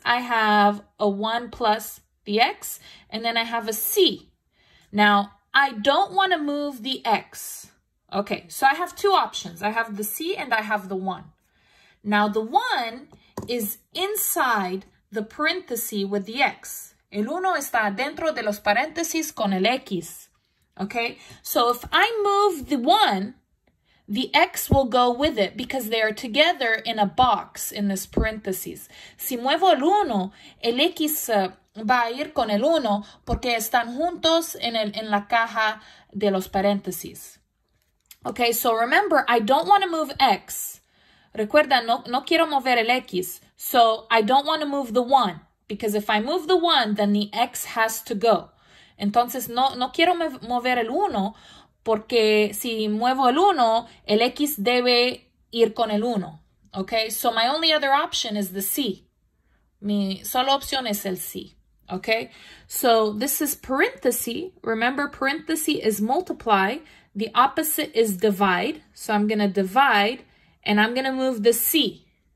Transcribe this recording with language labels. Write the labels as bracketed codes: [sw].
[en] I have a 1 plus the X, and then I have a C. Now, I don't want to move the X. Okay, so I have two options. I have the C and I have the 1. Now, the 1 is inside the parenthesis with the X. [es] El uno está dentro de los paréntesis con el X. [en] Okay, so if I move the 1, the X will go with it because they are together in a box in this parenthesis. [es] Si muevo el 1, el X va a ir con el 1 porque están juntos en la caja de los paréntesis. [en] Okay, so remember, I don't want to move X. [es] Recuerda, no quiero mover el X. [en] So I don't want to move the 1 because if I move the 1, then the X has to go. [es] Entonces, no quiero mover el 1 porque si muevo el 1, el X debe ir con el 1. [en] Okay, so my only other option is the C. [es] Mi sola opción es el C. [en] Okay, so this is parenthesis. Remember, parenthesis is multiply. The opposite is divide. So I'm going to divide and I'm going to move the C.